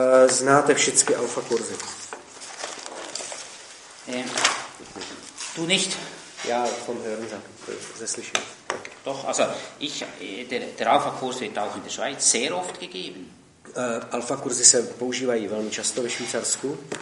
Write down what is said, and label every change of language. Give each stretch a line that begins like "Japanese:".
Czech: Znáte všechny Alfa kurzy.
German: Du nicht? Ja, vom Hören sagen, das
Czech: slyšen.
German: Doch, also ich, der Alpha-Kurs wird auch in der Schweiz sehr oft gegeben.
Czech: Alpha-Kurse se používají velmi často ve Švýcarsku.